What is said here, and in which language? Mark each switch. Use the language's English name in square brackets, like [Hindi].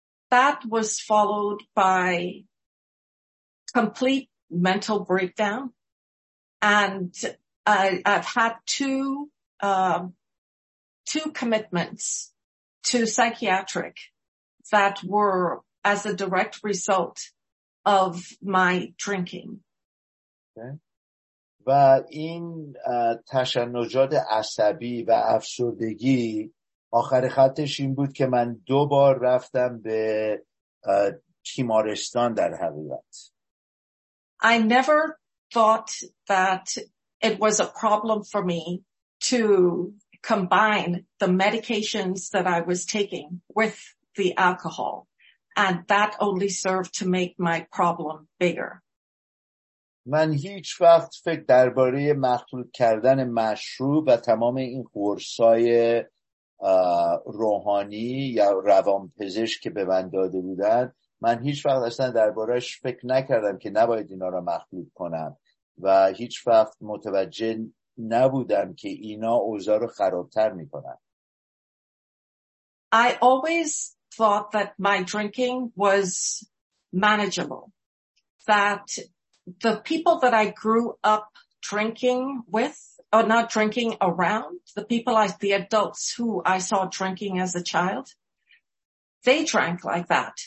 [English] That was followed by complete mental breakdown, and I've had two commitments to psychiatric that were as a direct result of my drinking. [Persian] و این تشنجات عصبی و افسردگی آخر خطش این بود که من دو بار رفتم به تیمارستان در حقیقت. [English] I never thought that it was a problem for me to combine the medications that I was taking with the alcohol, and that only served to make my problem bigger. [Persian] من هیچ وقت فکر درباره مخلوط کردن مشروب و تمام این قرصای روحانی یا روانپزشک که به من داده بودند، من هیچ وقت اصلا دربارش فکر نکردم که نباید اینا را مخلوط کنم و هیچ وقت متوجه نبودم که اینا اوضاع رو خرابتر میکنن. [English] I always thought that my drinking was manageable, that the people that I grew up drinking with, or not drinking around, the adults who I saw drinking as a child, they drank like that.